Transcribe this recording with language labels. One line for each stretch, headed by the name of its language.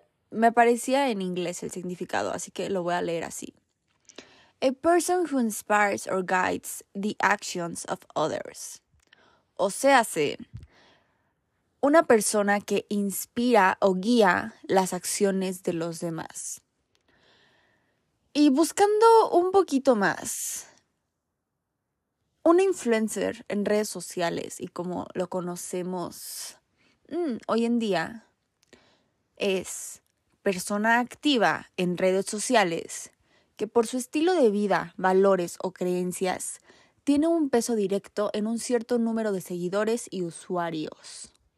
Spanish: Me aparecía en inglés el significado, así que lo voy a leer así.
English: A person who inspires or guides the actions of others.
Spanish: O sea, sí. Una persona que inspira o guía las acciones de los demás. Y buscando un poquito más, un influencer en redes sociales y como lo conocemos hoy en día, es persona activa en redes sociales que por su estilo de vida, valores o creencias, tiene un peso directo en un cierto número de seguidores y usuarios.